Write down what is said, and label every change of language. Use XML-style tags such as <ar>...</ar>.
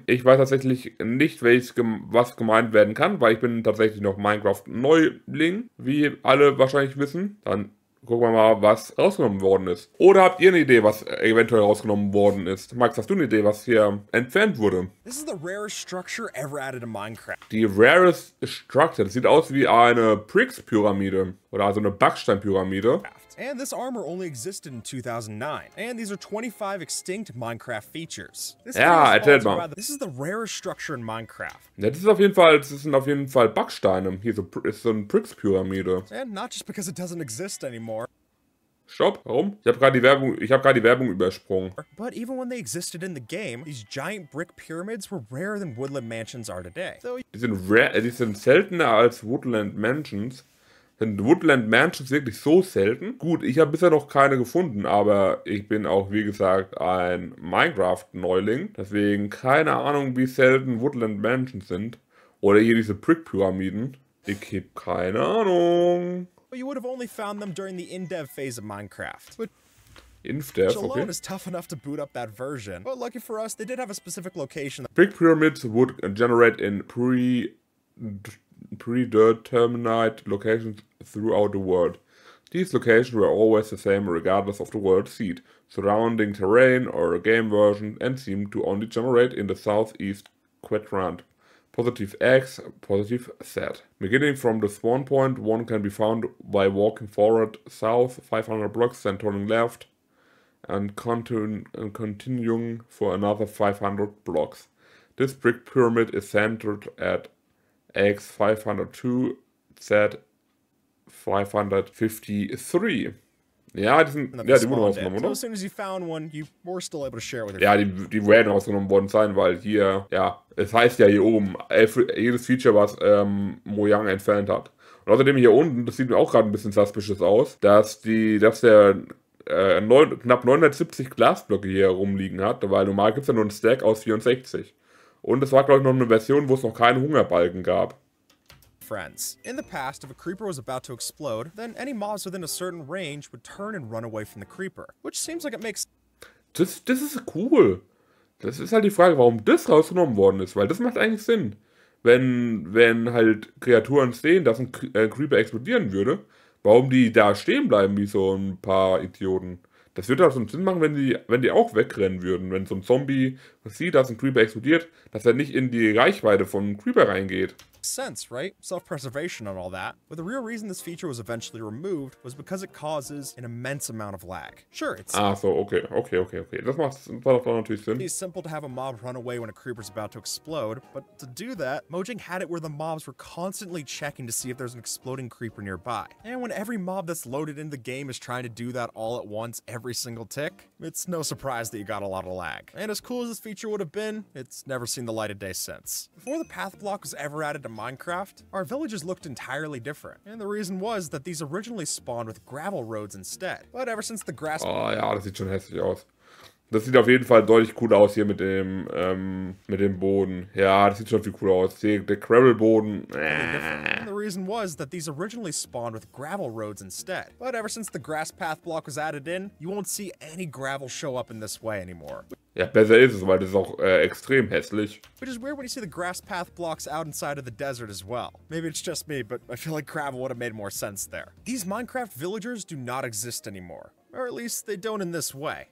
<de>Ich weiß tatsächlich nicht, was gemeint werden kann, weil ich bin tatsächlich noch Minecraft-Neuling, wie alle wahrscheinlich wissen. Dann gucken wir mal, was rausgenommen worden ist. Oder habt ihr eine Idee, was eventuell rausgenommen worden ist? Max, hast du eine Idee, was hier entfernt wurde?</de> <en>This is the rarest structure ever added to Minecraft.</en> <de>Die</de> <en>rarest structure.</en> <de>Das sieht aus wie eine Bricks-Pyramide. Oder also eine Backsteinpyramide.</de> <en>And this armor only existed in 2009. And these are 25 extinct Minecraft features.</en> <de>Ja, erzählt mal.</de> <en>This is the rarest structure in Minecraft.</en> <de>Ja, das ist auf jeden Fall, das sind auf jeden Fall Backsteine. Hier ist so, ein Bricks-Pyramide.</de> <en>And not just because it doesn't exist anymore.</en> <de>Stopp, warum? Ich habe gerade die Werbung übersprungen.</de> <en>But even when they existed in the game, these giant brick pyramids were rarer than woodland mansions are today.</en> <de>Die sind seltener als Woodland Mansions. Sind Woodland Mansions wirklich so selten? Gut, ich habe bisher noch keine gefunden, aber ich bin auch, wie gesagt, ein Minecraft-Neuling. Deswegen keine Ahnung, wie selten Woodland Mansions sind. Oder hier diese Brick-Pyramiden. Ich habe keine Ahnung.</de> <en>You would have only found them during the in-dev phase of Minecraft.</en> <de>In-dev, okay.</de> <en>Alone is tough enough to boot up that version. But lucky for us, they did have a specific location. Brick pyramids would generate in predetermined locations throughout the world. These locations were always the same regardless of the world seed, surrounding terrain or a game version, and seemed to only generate in the southeast quadrant. Positive X, positive Z. Beginning from the spawn point, one can be found by walking forward south 500 blocks, then turning left and continuing for another 500 blocks. This brick pyramid is centered at X 502 Z 553.</en> <de>Ja, die wurden rausgenommen, oder? Ja, die werden rausgenommen worden sein, weil hier, ja, es heißt ja hier oben, jedes Feature, was Mojang entfernt hat. Und außerdem hier unten, das sieht mir auch gerade ein bisschen suspicious aus, dass der knapp 970 Glasblöcke hier rumliegen hat, weil normal gibt es ja nur einen Stack aus 64. Und es war, glaube ich, noch eine Version, wo es noch keinen Hungerbalken gab.</de> <en>Friends. In the past, if a creeper was about to explode, then any mobs within a certain range would turn and run away from the creeper. Which seems like it makes...</en> <de>Das ist cool. Das ist halt die Frage, warum das rausgenommen worden ist. Weil das macht eigentlich Sinn. Wenn halt Kreaturen sehen, dass ein Creeper explodieren würde, warum die da stehen bleiben wie so ein paar Idioten. Das würde auch so einen Sinn machen, wenn die auch wegrennen würden. Wenn so ein Zombie sieht, dass ein Creeper explodiert, dass er nicht in die Reichweite von einem Creeper reingeht.</de> <en>Sense, right? Self-preservation and all that. But the real reason this feature was eventually removed was because it causes an immense amount of lag. Sure, it's...</en> <de>Ah, so, okay. Das macht natürlich Sinn.</de> <en>It's simple to have a mob run away when a creeper's about to explode, but to do that, Mojang had it where the mobs were constantly checking to see if there's an exploding creeper nearby. And when every mob that's loaded into the game is trying to do that all at once every single tick, it's no surprise that you got a lot of lag. And as cool as this feature would have been, it's never seen the light of day since. Before the path block was ever added to Minecraft, our villages looked entirely different. And the reason was that these originally spawned with gravel roads instead. But ever since the grass...</en> <de>Oh ja, das sieht schon hässlich aus. Das sieht auf jeden Fall deutlich cooler aus hier mit dem Boden. Ja, das sieht schon viel cooler aus. Der Gravelboden.</de> <en>And the reason was that these originally spawned with gravel roads instead. But ever since the grass path block was added in, you won't see any gravel show up in this way anymore.</en> <de>Ja, besser ist es, weil das ist auch extrem hässlich.</de> <en>Which is weird when you see the grass path blocks out inside of the desert as well. Maybe it's just me, but I feel like gravel would have made more sense there. These Minecraft villagers do not exist anymore. Or at least they don't in this way.</en>